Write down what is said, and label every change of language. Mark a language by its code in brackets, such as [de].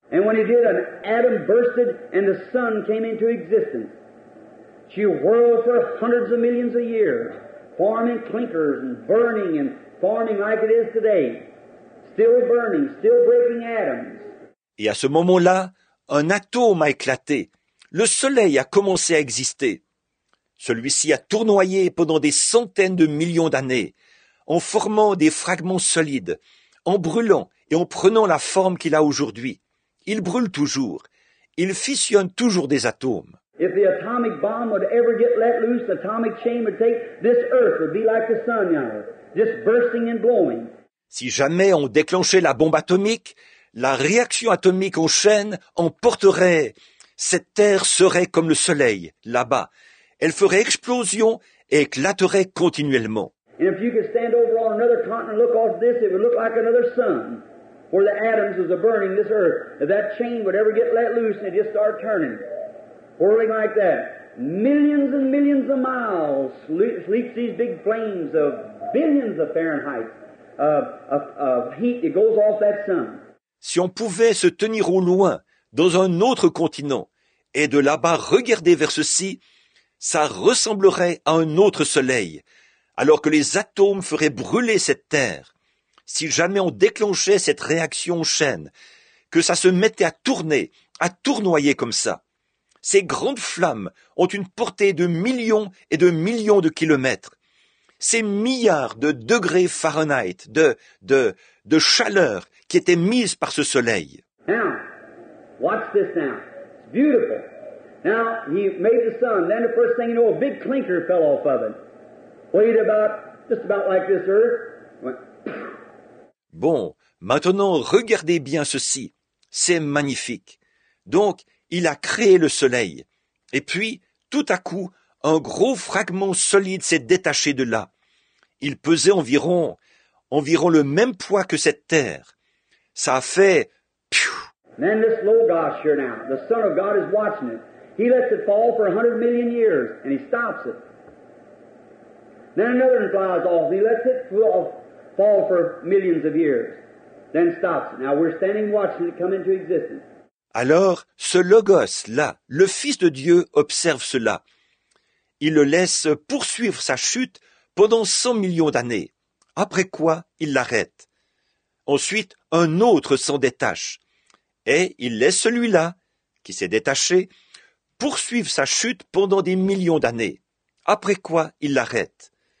[en] And when he did, an atom bursted and the sun came into existence. She whirled for hundreds of millions of years, forming clinkers and burning and forming like it is today, still burning, still breaking atoms. [fr] Et à ce moment-là, un atome a éclaté. Le soleil a commencé à exister. Celui-ci a tournoyé pendant des centaines de millions d'années, en formant des fragments solides, en brûlant et en prenant la forme qu'il a aujourd'hui. Il brûle toujours. Il fissionne toujours des atomes. [en] If the atomic bomb would ever get let loose, the atomic chain would take, this earth would be like the sun, you know, just bursting and blowing. [fr] Si jamais on déclenchait la bombe atomique, la réaction atomique en chaîne emporterait, cette terre serait comme le soleil, là-bas. Elle ferait explosion et éclaterait continuellement. [en] And if you could stand over on another continent and look off this, it would look like another sun, where the atoms was burning this earth. If that chain would ever get let loose and it just started turning. Whirling like that, millions and millions of miles leaps these big flames of billions of Fahrenheit of heat that goes off that sun. [fr] Si on pouvait se tenir au loin, dans un autre continent, et de là-bas regarder vers ceci, ça ressemblerait à un autre soleil, alors que les atomes feraient brûler cette terre. Si jamais on déclenchait cette réaction chaîne, que ça se mettait à tourner, à tournoyer comme ça. Ces grandes flammes ont une portée de millions et de millions de kilomètres. Ces milliards de degrés Fahrenheit, de chaleur qui étaient mises par ce soleil. [en] Now, watch this now. It's beautiful. Now, he made the sun. Then the first thing you know, a big clinker fell off of it. Weighed about, just about like this earth. Went... [fr] Bon, maintenant, regardez bien ceci. C'est magnifique. Donc, il a créé le soleil. Et puis, tout à coup, un gros fragment solide s'est détaché de là. Il pesait environ le même poids que cette terre. Ça a fait... [en] Then this Logos here now, the Son of God is watching it. He lets it fall for 100 million years, and he stops it. Then another one flies off. He lets it fall for millions of years, then stops it. Now we're standing watching it come into existence. [fr] Alors, ce Logos-là, le Fils de Dieu, observe cela. Il le laisse poursuivre sa chute pendant 100 millions d'années, après quoi il l'arrête. Ensuite, un autre s'en détache. Et il laisse celui-là, qui s'est détaché, poursuivre sa chute pendant des millions d'années, après quoi il l'arrête.